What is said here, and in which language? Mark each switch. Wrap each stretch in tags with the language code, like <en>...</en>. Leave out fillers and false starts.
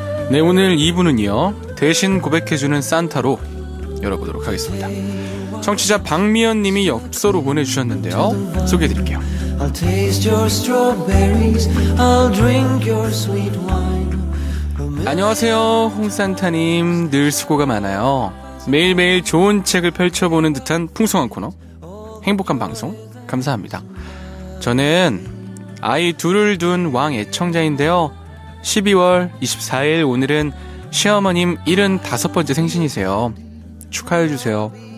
<ko>네, 오늘 2부는요 대신 고백해주는 산타로 열어보도록 하겠습니다. 청취자 박미연님이 엽서로 보내주셨는데요, 소개해드릴게요.</ko> <en>I'll taste your strawberries, I'll drink your sweet wine.</en> <ko>안녕하세요, 홍산타님. 늘 수고가 많아요. 매일매일 좋은 책을 펼쳐보는 듯한 풍성한 코너, 행복한 방송 감사합니다. 저는 아이 둘을 둔 왕 애청자인데요, 12월 24일 오늘은 시어머님 75번째 생신이세요. 축하해주세요.</ko>